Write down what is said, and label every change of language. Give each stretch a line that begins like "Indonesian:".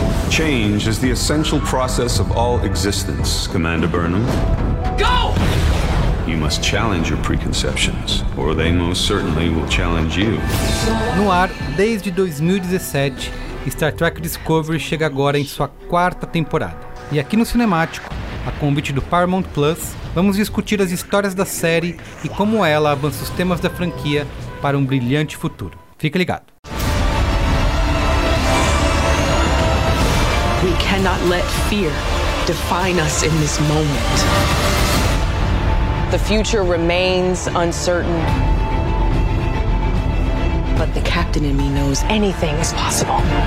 English: Change is the essential process of all existence, Commander Burnham. Go! You must challenge your preconceptions, or they most certainly will challenge you.
Portuguese: No ar, desde 2017, Star Trek Discovery chega agora em sua quarta temporada. E aqui no Cinemático, a convite do Paramount Plus, vamos discutir as histórias da série e como ela avança os temas da franquia para um brilhante futuro. Fica ligado.
English: We cannot let fear define us in this moment. The future remains uncertain. But the captain in me knows anything is possible.